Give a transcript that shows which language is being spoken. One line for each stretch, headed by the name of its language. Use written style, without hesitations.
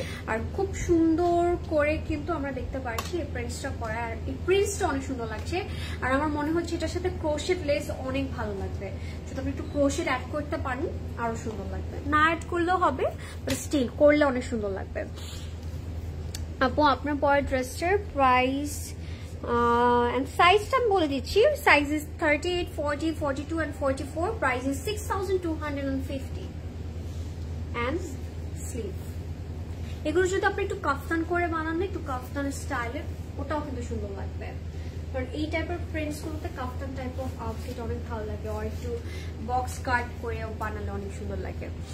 Bangla: আর খুব সুন্দর করে কিন্তু আমরা দেখতে পাচ্ছি এই প্রিন্টসটা করা, আর এই প্রিন্টসটা অনেক সুন্দর লাগছে। আর আমার মনে হচ্ছে এটার সাথে ক্রোশেট লেস অনেক ভালো লাগবে, যদি আপনি একটু ক্রোশেট অ্যাড করতে পারেন আরো সুন্দর লাগবে, না অ্যাড করলেও হবে, বাট স্টিল করলে অনেক সুন্দর লাগবে। আপু আপনার পরের ড্রেসটার প্রাইস and size টা বলে দিচ্ছি,
English: size is 38 40 42 and 44, price is 6250 and sleeve।
Bangla: এগুলো যদি আপনি একটু কাফতান করে বানান, একটু কাফতান স্টাইলে, ওটাও কিন্তু সুন্দর লাগবে, কারণ এই টাইপের প্রিন্টস গুলোতে কাফতান টাইপ অফ আউটফিট অনেক ভালো লাগে, আর একটু বক্স কাট করে বানালে অনেক সুন্দর লাগে।